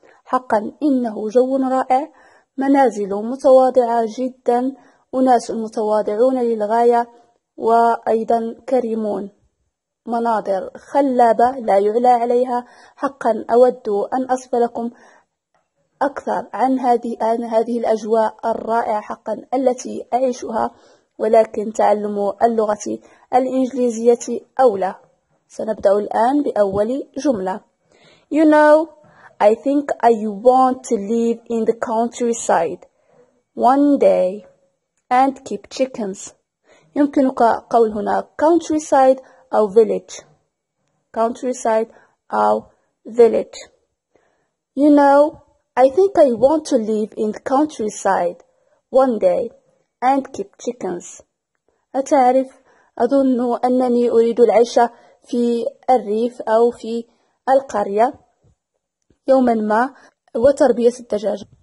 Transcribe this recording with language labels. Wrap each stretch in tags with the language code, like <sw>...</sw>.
<ar>حقا إنه جو رائع، منازل متواضعة جدا، أناس متواضعون للغاية وأيضا كريمون، مناظر خلابة لا يعلى عليها. حقا أود أن أصف لكم أكثر عن هذه الأجواء الرائعة حقا التي أعيشها، ولكن تعلم اللغة الإنجليزية أولى. سنبدأ الآن بأول جملة.</ar> <en>You know, I think I want to live in the countryside one day and keep chickens.</en> <ar>يمكنك قول هنا countryside أو village.</ar> <en>Countryside أو village. You know, I think I want to live in the countryside one day and keep chickens.</en> <ar>أتعرف؟ أظن أنني أريد العيش في الريف أو في القرية يوما ما وتربية الدجاج.</ar>